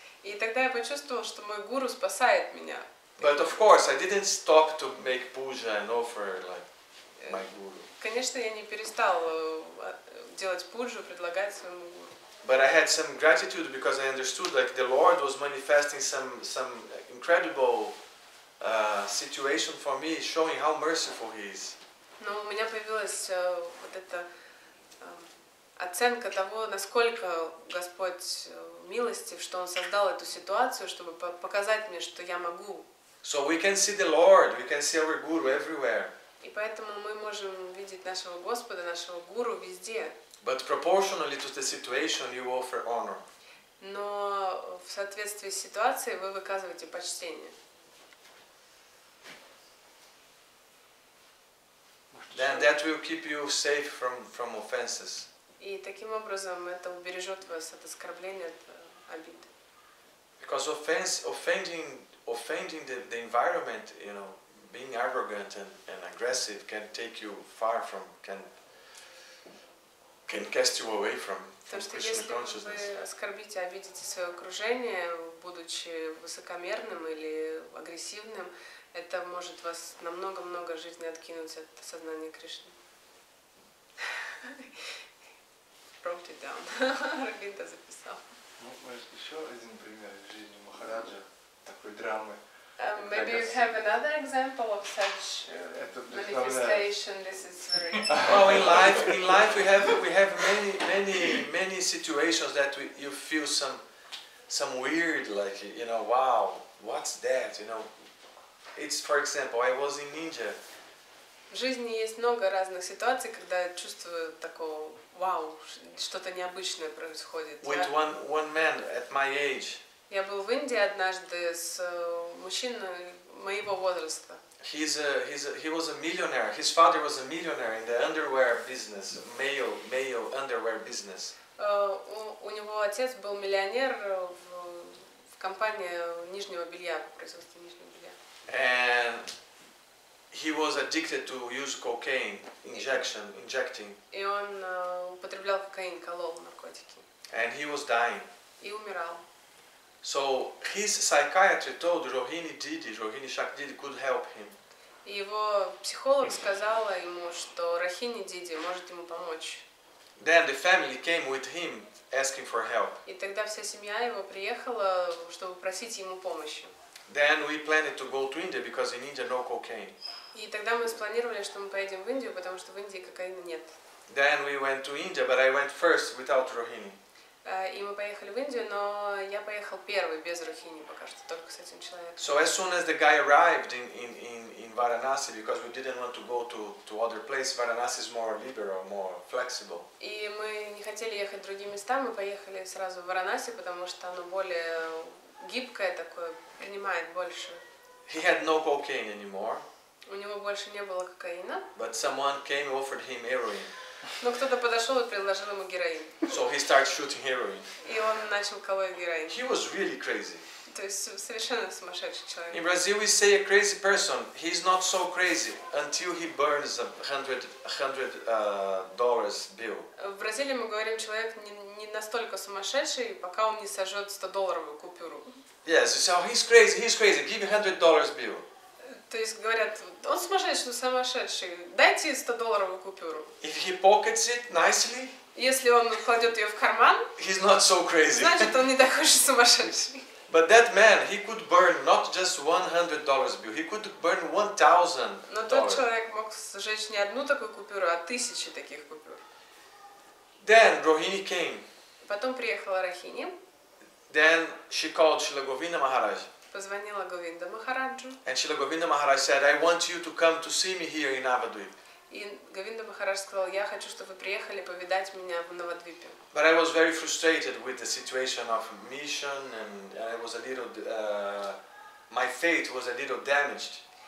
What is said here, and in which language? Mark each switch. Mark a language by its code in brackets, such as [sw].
[ru] И тогда я почувствовал, что мой гуру спасает меня. [en] But of course, I didn't stop to make puja and offer like my guru. [ru] Конечно, я не перестал делать пуджу, предлагать своему гуру. [en] But I had some gratitude because I understood like the Lord was manifesting some incredible situation for me, showing how merciful He is. [ru] Но у меня появилась вот эта оценка того, насколько Господь милостив, что Он создал эту ситуацию, чтобы показать мне, что я могу. [en] So we can see the Lord, we can see our Guru everywhere. [ru] И поэтому мы можем видеть нашего Господа, нашего Гуру везде. [en] But proportionally to the situation, you offer honor. [ru] Но в соответствии с ситуацией вы выказываете почтение. [en] Then that will keep you safe from offenses. [ru] И таким образом это убережет вас от оскорбления, от обид. [en] Because offending the environment, you know, being arrogant and aggressive can take you far from can cast you away from Krishna consciousness. [ru] То есть, если вы оскорбите, обидите свое окружение, будучи высокомерным или агрессивным, это может вас на много-много жизни откинуть от сознания Кришны. [en] Wrote it down. [ru] Рагинта записал. Ну, может, еще один пример из жизни Махараджа, такой драмы. [en] Maybe you have another example of such manifestation. This is very. Well, in life, we have many situations that you feel some weird, like, you know, wow, what's that? You know, it's, for example, I was in India. [ru] В жизни есть много разных ситуаций, когда я чувствую такого, вау, что-то необычное происходит. [en] With one man at my age. [ru] Я был в Индии однажды с мужчиной моего возраста. [en] He was a millionaire. His father was a millionaire in the underwear business, male underwear business. [ru] У него отец был миллионер в компании нижнего белья, производстве нижнего белья. [en] And he was addicted to use cocaine injecting. [ru] И он употреблял кокаин, колол наркотики. [en] And he was dying. [ru] И умирал. [en] So his psychiatrist told Rohini Shakdidi could help him. [ru] Его психолог сказала ему, что Рохини Диди может ему помочь. [en] Then the family came with him asking for help. [ru] И тогда вся семья его приехала, чтобы просить ему помощи. [en] Then we planned to go to India because in India no cocaine. [ru] И тогда мы спланировали, что мы поедем в Индию, потому что в Индии кокаина нет. [en] Then we went to India, but I went first without Rohini. [ru] И мы поехали в Индию, но я поехал первый без Рухини, пока что только с этим человеком. [en] So as soon as the guy arrived in Varanasi, because we didn't want to go to other place, Varanasi is more liberal, more flexible. [ru] И мы не хотели ехать в другие места, мы поехали сразу в Варанаси, потому что оно более гибкое такое, принимает больше. [en] He had no cocaine anymore. [ru] У него больше не было кокаина. [en] But someone came and offered him heroin. [ru] Но кто-то подошел и предложил ему героин. [en] So he started shooting heroin. [ru] И он начал колоть героин. [en] He was really crazy. [ru] То есть совершенно сумасшедший человек. [en] In Brazil we say a crazy person. He's not so crazy until he burns $100 bill. [ru] В Бразилии мы говорим, человек не настолько сумасшедший, пока он не сожжет $100 купюру. [en] Yes, so he's crazy. Give him $100 bill. [ru] То есть говорят, он сумасшедший, сумасшедший. Дайте $100 купюру. [en] If he pockets it nicely. [ru] Если он кладет ее в карман. [en] He's not so crazy. [ru] Значит, он не такой же сумасшедший. [en] But that man, he could burn not just $100 bill. He could burn $1,000. [ru] Но тот человек мог сжечь не одну такую купюру, а тысячи таких купюр. [en] Then Rohini came. [ru] Потом приехала Рахини. [en] Then she called Шилаговинда Махарадж. [ru] Позвонила Говинда Махараджу. [en] And Шилаговинда Махарадж said, I want you to come to see me here in Навадвип. [ru] И Говинда Махарадж сказал, я хочу, чтобы вы приехали повидать меня в Навадвипе. [en] But I was very frustrated with the situation of mission, and I was a little, my faith was a little damaged.